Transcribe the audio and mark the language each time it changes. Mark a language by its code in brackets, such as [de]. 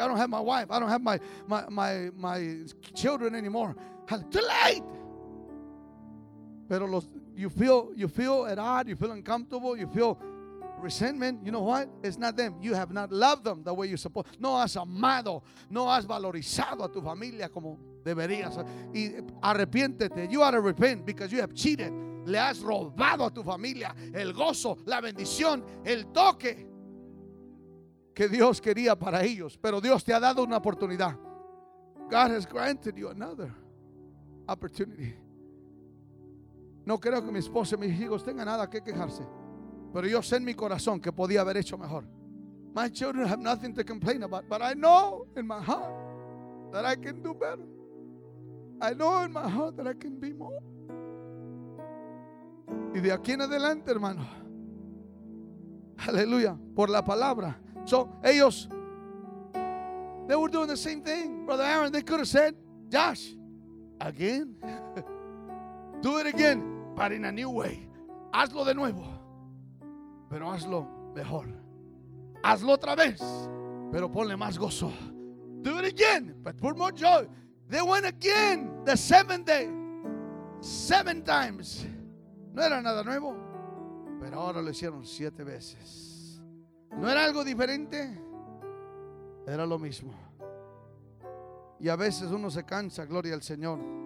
[en] I don't have my wife. I don't have my children anymore. Too late. [es] Pero los, [en] you feel at odd. You feel uncomfortable. You feel resentment. You know what? It's not them. You have not loved them the way you're supposed. [es] No has amado. No has valorizado a tu familia como deberías. Y arrepiéntete. [en] You ought to repent because you have cheated. [es] Le has robado a tu familia el gozo, la bendición, el toque que Dios quería para ellos. Pero Dios te ha dado una oportunidad. [en] God has granted you another opportunity. [es] No creo que mi esposa y mis hijos tengan nada que quejarse, pero yo sé en mi corazón que podía haber hecho mejor. [en] My children have nothing to complain about, but I know in my heart that I can do better. I know in my heart that I can be more. [es] Y de aquí en adelante, hermano, aleluya, por la palabra. [en] So ellos, they were doing the same thing. Brother Aaron, they could have said, Josh, again, do it again, but in a new way. [es] Hazlo de nuevo, pero hazlo mejor. Hazlo otra vez, pero ponle más gozo. [en] Do it again, but put more joy. They went again the seventh day, seven times. [es] No era nada nuevo, pero ahora lo hicieron siete veces. No era algo diferente, era lo mismo. Y a veces uno se cansa, gloria al Señor.